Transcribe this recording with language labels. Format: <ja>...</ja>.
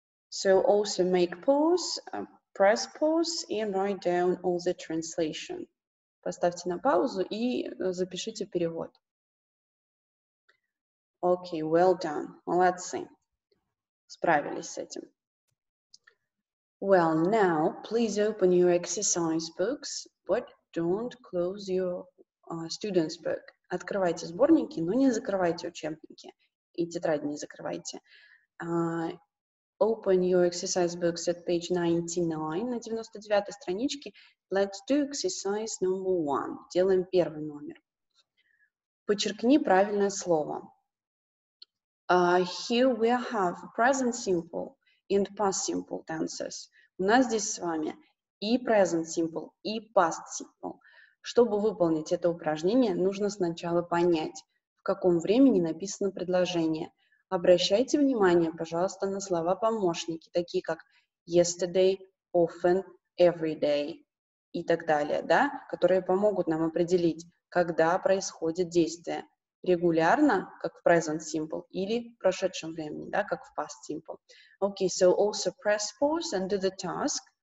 <en>So also make pause, press pause and write down all the translation.</en> <ru>Поставьте на паузу и запишите перевод. Okay, well done. Молодцы. Справились с этим.</ru> <en>Well, now please open your exercise books, but don't close your student's book.</en> <ru>Открывайте сборники, но не закрывайте учебники. И тетради не закрывайте.</ru> <en>Open your exercise books at page 99, на 99-й страничке. Let's do exercise number one. Делаем первый номер.</en> <ru>Подчеркни правильное слово.</ru> <en>Here we have present simple and past simple tenses.</en> <ru>У нас здесь с вами и present simple, и past simple. Чтобы выполнить это упражнение, нужно сначала понять, в каком времени написано предложение. Обращайте внимание, пожалуйста, на слова-помощники, такие как yesterday, often, every day и так далее, да? Которые помогут нам определить, когда происходит действие. Регулярно, как в present simple, или в прошедшем времени, да, как в past simple.</ru> <en>Okay, so also press pause and do the task.</en>